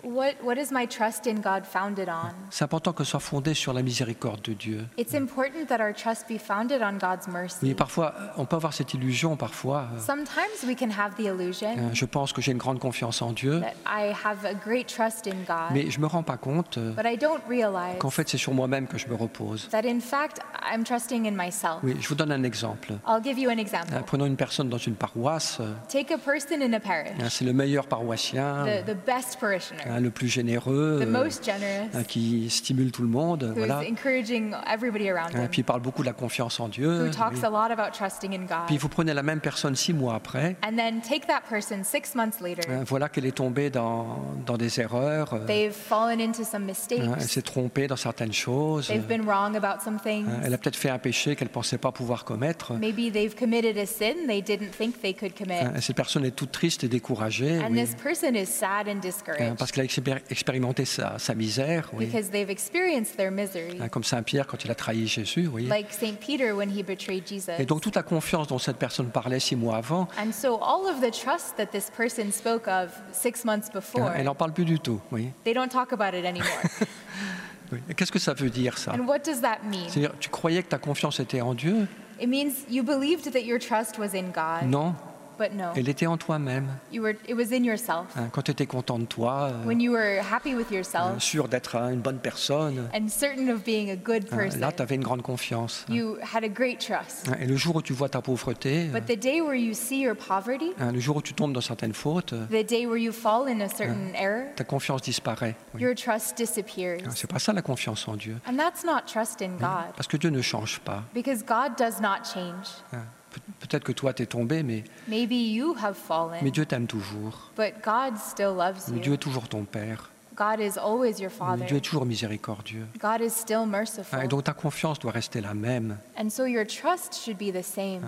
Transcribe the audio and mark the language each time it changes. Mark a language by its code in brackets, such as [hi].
[en] What is my trust in God founded on? [fr] C'est important que ce soit fondé sur la miséricorde de Dieu. [en] It's important that our trust be founded on God's mercy. [fr] Mais parfois, on peut avoir cette illusion parfois. [en] Sometimes we can have the illusion. [fr] Je pense que j'ai une grande confiance en Dieu. [en] I have a great trust in God. [fr] Mais je me rends pas compte qu'en fait c'est sur moi-même que je me repose. [en] That in fact I'm trusting in myself. [fr] Oui, je vous donne un exemple. [en] I'll give you an example. [fr] Prenons une personne dans une paroisse. [en] Take a person in a parish. [fr] C'est le meilleur paroissien. [en] The best parishioner. [fr] Le plus généreux. [en] The most generous. [fr] Qui stimule tout le monde. [en] Who [fr] voilà. [en] Is encouraging everybody around him. [fr] Puis il parle beaucoup de la confiance en Dieu. [en] Who talks a lot about trusting in God. [fr] Puis vous prenez la même personne 6 mois après. [en] And then take that person 6 months later. [fr] Voilà qu'elle est tombée dans des erreurs. [en] They've fallen into some mistakes. [fr] Elle s'est trompée dans certaines choses. [en] They've been wrong about some things. [fr] Elle a peut-être fait un péché qu'elle ne pensait pas pouvoir commettre. [en] Maybe they've committed a sin they didn't think they could commit. [fr] Cette personne est toute triste et découragée. [en] And [fr] oui. [en] This person is sad and discouraged. [fr] Parce qu'elle a expérimenté sa misère. Oui. [en] Because they've experienced their misery. [fr] Comme Saint Pierre quand il a trahi Jésus. Oui. [en] Like Saint Peter when he betrayed Jesus. [fr] Et donc toute la confiance dont cette personne parlait 6 mois avant. [en] And so all of the trust that this person spoke of 6 months before. [fr] Elle n'en parle plus du tout. Oui. [en] They don't talk about it anymore. [fr] Oui. Et qu'est-ce que ça veut dire ça? [en] And what does that mean? [fr] C'est-à-dire, tu croyais que ta confiance était en Dieu? [en] It means you believed that your trust was in God. [fr] Non. [en] But no. [fr] Elle était en toi-même. [en] It was in yourself. [fr] Quand tu étais content de toi. [en] When you were happy with yourself. [fr] Sûr d'être une bonne personne. [en] And certain of being a good person. [fr] Là, tu avais une grande confiance. [en] You had a great trust. [fr] Et le jour où tu vois ta pauvreté. [en] But the day where you see your poverty. [fr] Le jour où tu tombes dans certaines fautes. [en] The day where you fall in a certain error. [fr] Ta confiance disparaît. [en] Oui. Your trust disappears. [fr] C'est pas ça la confiance en Dieu. [en] And that's not trust in God. [fr] Parce que Dieu ne change pas. [en] Because God does not change. [fr] Peut-être que toi t'es tombé, mais [en] maybe you have fallen, [fr] mais Dieu t'aime toujours. [en] But God still loves [fr] you. Dieu est toujours ton père. [en] God is always your father. [fr] Dieu est toujours miséricordieux. [en] God is still merciful. [fr] Et donc ta confiance doit rester la même. [en] And so your trust should be the same.